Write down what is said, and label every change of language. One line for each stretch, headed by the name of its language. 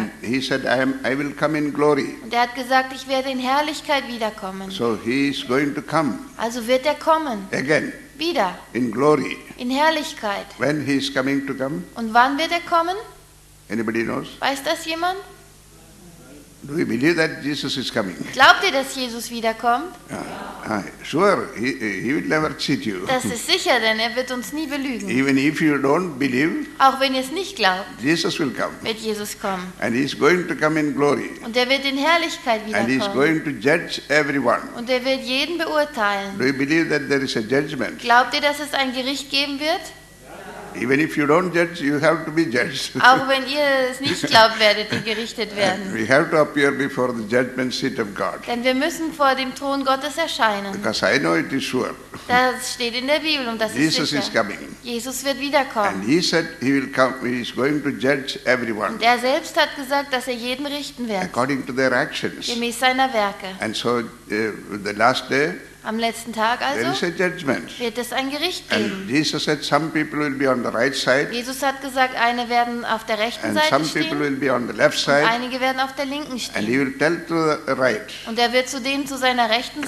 English: And he said, I will come in glory.
German: Und er hat gesagt, ich werde in Herrlichkeit wiederkommen.
English: So he is going to come.
German: Also wird er kommen.
English: Again.
German: Wieder.
English: In glory.
German: In Herrlichkeit.
English: When he is coming to come?
German: Und wann wird er kommen?
English: Anybody knows?
German: Weiß das jemand?
English: Do you believe that Jesus is coming?
German: Glaubt ihr, dass Jesus wiederkommt?
English: Yeah. Sure, he will never cheat you.
German: Das ist sicher, denn er wird uns nie belügen.
English: Even if you don't believe,
German: auch wenn ihr es nicht glaubt,
English: Jesus will come.
German: Wird Jesus kommen.
English: And he's going to come in glory.
German: Und er wird in Herrlichkeit wiederkommen.
English: And he's going to judge everyone.
German: Und er wird jeden beurteilen.
English: Do you believe that there is a judgment?
German: Glaubt ihr, dass es ein Gericht geben wird?
English: Even if you don't judge, you have to be judged.
German: Auch wenn ihr es nicht glaubt, werdet ihr gerichtet werden.
English: We have to appear before the judgment seat of God.
German: Denn wir müssen vor dem Thron Gottes erscheinen.
English: Because I know it is sure.
German: Das steht in der Bibel und das
English: Jesus
German: ist sicher.
English: Is coming.
German: Jesus wird wiederkommen.
English: And he said he will come. He is going to judge everyone.
German: Und er selbst hat gesagt, dass er jeden richten wird.
English: According to their actions.
German: Gemäß seiner Werke.
English: And so the last day.
German: Am letzten Tag also wird es ein Gericht geben.
English: And Jesus said, some people will be on the right side.
German: Jesus hat gesagt, einige werden auf der rechten
English: and
German: Seite
English: some
German: stehen.
English: People will be on the left side.
German: Und einige werden auf der linken stehen.
English: And he will tell to the right,
German: und er wird zu denen zu seiner rechten